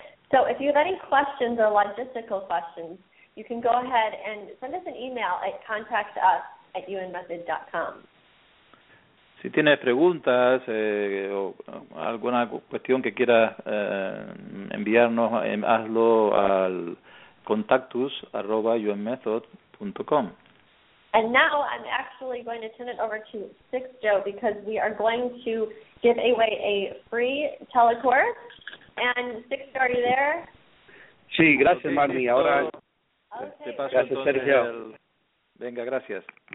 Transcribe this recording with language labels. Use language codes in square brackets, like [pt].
[en] So, if you have any questions or logistical questions, you can go ahead and send us an email at contactus@yuenmethod.com. [es] Si tienes preguntas o alguna cuestión que quieras enviarnos, hazlo al contactus@yuenmethod.com. [en] And now I'm actually going to turn it over to Sixto, because we are going to give away a free telecourse. And Sixto, are you there? [es] Sí, gracias, Marnie. Ahora... [en] Okay. [es] Te paso, gracias, entonces, Sergio. Venga, gracias.